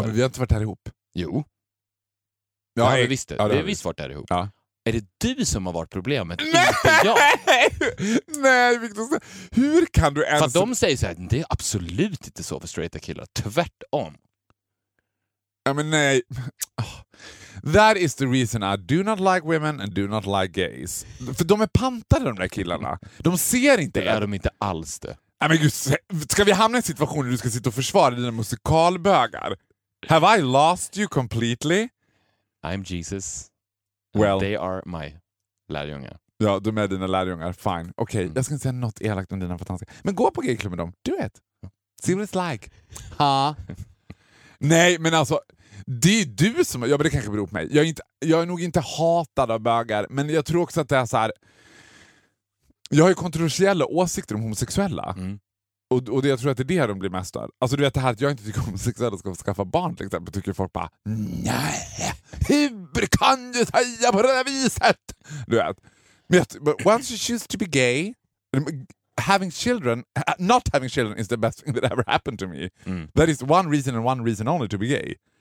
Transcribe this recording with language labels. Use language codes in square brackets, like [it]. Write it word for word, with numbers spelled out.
[sv] Ja, men vi har inte varit här ihop. Jo. Ja, ja, vi visste. Ja, det vi har visst varit här ihop. Ja. Är det du som har varit problemet? Nej! Inte jag. Nej, Victor. Hur kan du ens... För de säger så här, det är absolut inte så för straighta killar. Tvärtom. [en] I mean, [sv] nej. [en] Oh. That is the reason I do not like women and do not like gays. [sv] För de är pantade, de där killarna. De ser inte det. Är de inte alls det. Nej, men gud, ska vi hamna i en situation där du ska sitta och försvara dina musikalbögar? [en] Have I lost you completely? I'm Jesus. Well, they are my [sv] lärjungar. Ja, de är dina lärjungar. [en] Fine. [sv] Okej, okay. mm. Jag ska inte säga något elakt om dina fantastiska. Men gå på gayklubben med dem. Du vet. [en] See what it's like. [sv] Ha. Nej, men alltså... Det är du som... Ja, men det kanske beror på mig. Jag är, inte, jag är nog inte hatad av bögar. Men jag tror också att det är så här... Jag har ju kontroversiella åsikter om homosexuella. Mm. Och, och det, jag tror att det är det de blir mest av. Alltså du vet det här att jag inte tycker att homosexuella ska skaffa barn till exempel. Tycker folk bara... Nej! Hur kan du säga på det här viset? Du vet. Men jag, [en] once you choose to be gay... Having children... Not having children is the best thing that ever happened to me. Mm. That is one reason and one reason only to be gay.